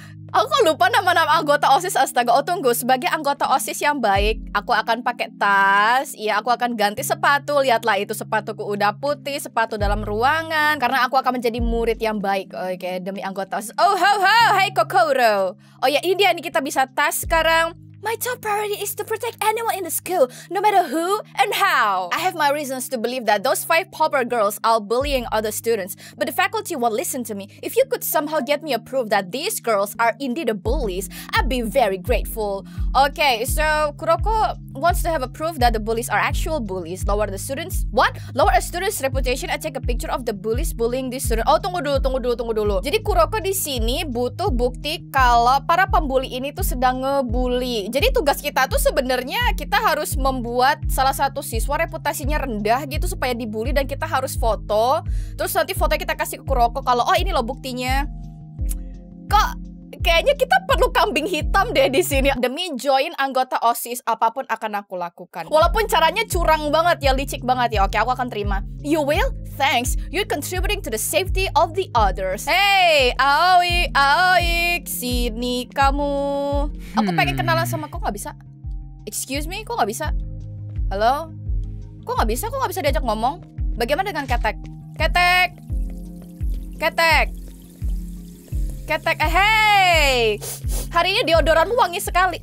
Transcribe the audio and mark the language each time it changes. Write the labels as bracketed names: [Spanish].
[Indonesian] Aku lupa nama-nama anggota OSIS, astaga. Oh tunggu, sebagai anggota OSIS yang baik, aku akan pakai tas. Iya, aku akan ganti sepatu. Lihatlah itu, sepatuku udah putih, sepatu dalam ruangan. Karena aku akan menjadi murid yang baik. Oke, okay, demi anggota OSIS. Oh ho ho, hey Kokoro. Oh ya, ini dia nih, kita bisa tas sekarang. [English] My top priority is to protect anyone in the school, no matter who and how. I have my reasons to believe that those 5 pauper girls are bullying other students, but the faculty won't listen to me. If you could somehow get me approved that these girls are indeed the bullies, I'd be very grateful. Okay, so Kuroko wants to have a proof that the bullies are actual bullies. Lower the students? What? Lower a student's reputation and take a picture of the bullies bullying this student? [Indonesian] Oh, tunggu dulu. Jadi Kuroko di sini butuh bukti kalau para pembuli ini tuh sedang ngebully. Jadi tugas kita tuh sebenarnya kita harus membuat salah satu siswa reputasinya rendah gitu supaya dibully, dan kita harus foto. Terus nanti foto kita kasih ke Kuroko kalau oh ini loh buktinya. Kok kayaknya kita perlu kambing hitam deh di sini. Demi join anggota OSIS, apapun akan aku lakukan. Walaupun caranya curang banget ya, licik banget ya. Oke, aku akan terima. [English] You will? Thanks. You're contributing to the safety of the others. [Indonesian] Hey, Aoi, Aoi, sini kamu. Aku pengen kenalan sama kok nggak bisa. [English] Excuse me, [Indonesian] kok nggak bisa? Halo? Kok nggak bisa diajak ngomong? Bagaimana dengan Ketek? Ketek? Ketek? Ketek, hey, hari ini deodoranmu wangi sekali.